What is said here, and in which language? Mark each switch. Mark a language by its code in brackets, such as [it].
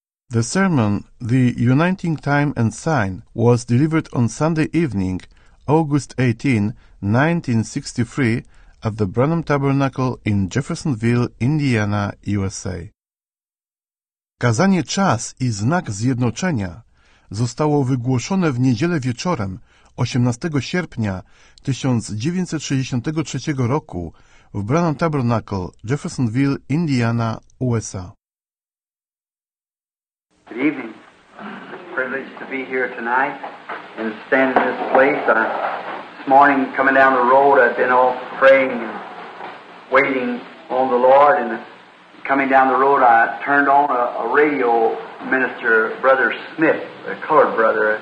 [en] The sermon, The Uniting Time and Sign, was delivered on Sunday evening, August 18, 1963, at the Branham Tabernacle in Jeffersonville, Indiana, USA. [pl] Kazanie Czas i Znak Zjednoczenia zostało wygłoszone w niedzielę wieczorem 18 sierpnia 1963 roku w Branham Tabernacle, Jeffersonville, Indiana, USA. [en] Good evening. It's a privilege to be here tonight and stand in this place. This morning, coming down the road, I've been all praying and waiting on the Lord. And coming down the road, I turned on a radio minister, Brother Smith, a colored brother.